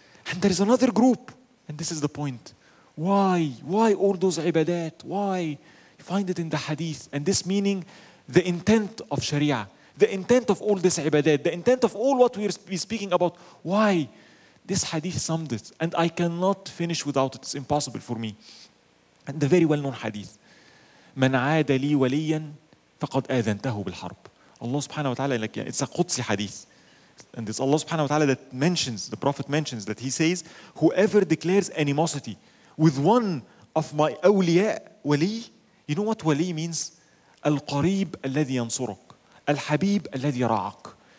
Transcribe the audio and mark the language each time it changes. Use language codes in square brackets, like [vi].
[en] And there is another group, and this is the point. Why all those ibadat? Why? You find it in the hadith, and this meaning the intent of sharia, the intent of all this ibadat, the intent of all what we're speaking about. Why? This hadith summed it, and I cannot finish without it. It's impossible for me. And the very well-known hadith, [ar] من عاد لي وليا فقد آذنته بالحرب. [en] Allah subhanahu wa ta'ala, like, it's a Qudsi hadith. And it's Allah subhanahu wa ta'ala that mentions, the Prophet mentions, that he says, whoever declares animosity with one of my awliya, wali, you know what wali means? [ar] Al-qarib alladhi yansuruk. Al-habib alladhi ra'ak.